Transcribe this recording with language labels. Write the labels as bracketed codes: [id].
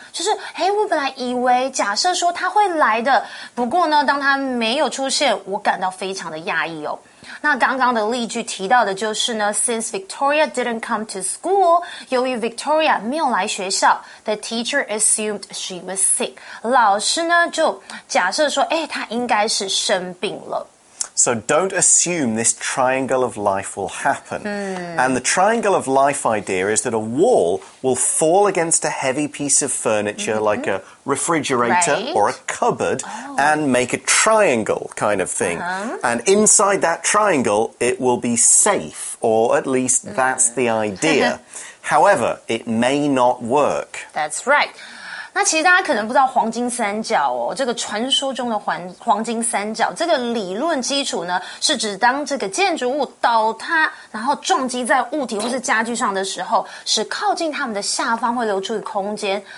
[zh] 就是我本来以为假设说他会来的，不过呢，当他没有出现，我感到非常的讶异哦。那刚刚的例句提到的就是呢 [en] ,since Victoria didn't come to school, [zh] 由于 Victoria 没有来学校 [en] ,the teacher assumed she was sick. [zh] 老师呢就假设说她应该是生病了。 [en] So don't assume this triangle of life will happen. And the triangle of life idea is that a wall will fall against a heavy piece of furniture, like a refrigerator or a cupboard, and make a triangle kind of thing. And inside that triangle, it will be safe, or at least that's the idea. However, it may not work. That's right. [zh] 那其实大家可能不知道黄金三角哦，这个传说中的黄金三角，这个理论基础呢，是指当这个建筑物倒塌，然后撞击在物体或是家具上的时候，使靠近它们的下方会留出空间。